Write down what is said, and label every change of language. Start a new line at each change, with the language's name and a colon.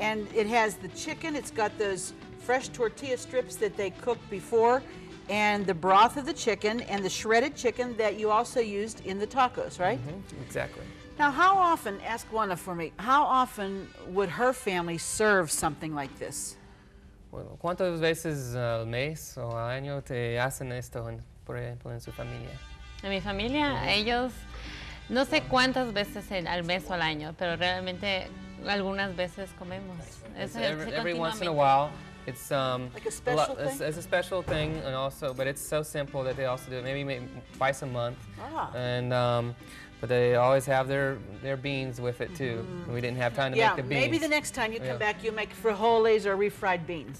English: And it has the chicken, it's got those fresh tortilla strips that they cooked before, and the broth of the chicken, and the shredded chicken that you also used in the tacos, right? Mm-hmm. Exactly. Now, how often, ask Juana for me, how often would her family serve something like this?
Spanish: Bueno, ¿cuántas veces al mes o al año te hacen esto, por ejemplo, en su familia? En mi familia, ellos, no sé cuántas veces al mes o al año, pero realmente algunas veces comemos.
English: Every once in a while, it's like a special thing. It's a special thing, and also, but it's so simple that they also do it maybe twice a month. Ah. And but they always have their beans with it too. Mm-hmm. We didn't have time to make the beans. Yeah, maybe the next time you come back, you make frijoles or refried beans.